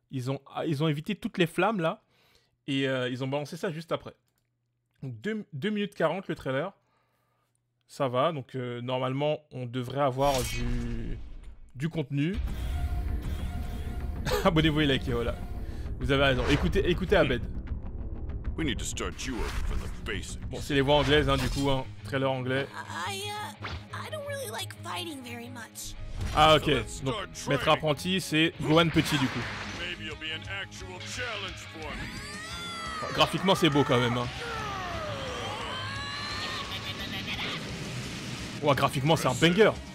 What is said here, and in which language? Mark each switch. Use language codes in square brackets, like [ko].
[fr] Ils ont évité toutes les flammes là. Et ils ont balancé ça juste après. Donc 2 minutes 40 le trailer. Ça va, donc normalement on devrait avoir du contenu. Abonnez-vous et likez, voilà. Vous avez raison. Écoutez Abed. [en] We need to start you up for the basics. [fr] Bon, c'est les voix anglaises, hein, du coup, hein. Trailer anglais. [en] I don't really like fighting very much. [fr] Ah ok, donc Maître Apprenti, c'est Gohan Petit du coup. [en] Maybe you'll be an actual challenge for me. [fr] Graphiquement, c'est beau quand même. Hein. Ouais, graphiquement, c'est un banger.